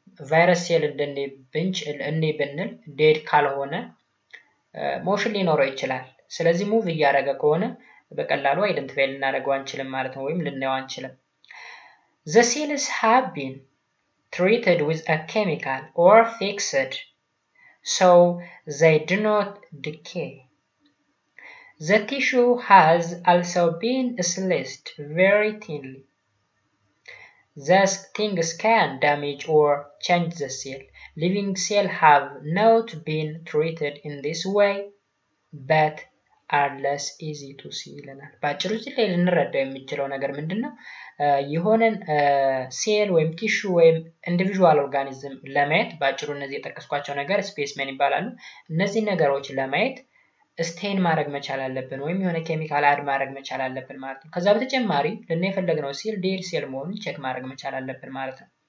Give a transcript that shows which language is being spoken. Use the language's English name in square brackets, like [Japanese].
[Amharic] ቫይረስ ሴል እንደ ይብንች እንደ ይብንል dead ካልሆነ ሞሽን ሊኖረው ይችላል። ስለዚህ ሙቭ ያደረገ ከሆነ በቀላሉ አይደንቲፋይ ልናደርገው አንችልም ማለት ነው ወይም ልናየው አንችልም። [English] The cells have been treated with a chemical or fixed so they do not decay. The tissue has also been sliced very thinly. Thus, things can damage or change the cell. Living cells have not been treated in this way, but are less easy to see. [Amharic] ይለናል። ባጭሩ ሲል እንረዳው የምችለው ነገር ምንድነው? ይሆነን ሴል ወይም ቲሹ ወይም ኢንዲቪዥዋል ኦርጋኒዝም ለማየት ባጭሩ እነዚህ የተከስኳቸው ነገር ስፔስመን ይባላሉ። እነዚህ ነገሮች ለማየት ስቴን ማድረግ መቻል አለብን ወይም የሆነ ኬሚካል አድ ማድረግ መቻል አለብን ማለት ነው። ከዛ በተጨማሪ ለነ የፈለግነው ሴል ዴድ ሴል መሆኑን ቼክ ማድረግ መቻል አለብን ማለት ነው።